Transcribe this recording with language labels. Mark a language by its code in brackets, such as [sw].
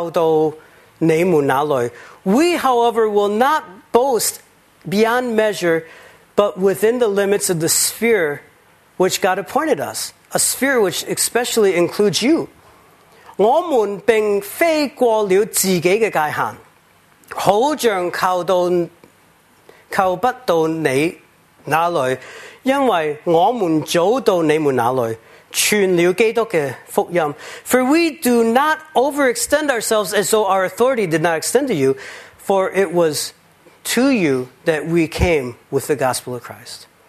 [zh] 我们不愿意分外夸口，只要照神所量给我们的界限，扣到你们那里。 [en] We, however, will not boast beyond measure, but within the limits of the sphere which God appointed us, a sphere which especially includes you. [zh] 我们并非过了自己的界限，好像扣不到你那里，因为我们早到你们那里。 [en] For we do not overextend ourselves as though our authority did not extend to you, for it was to you that we came with the gospel of Christ.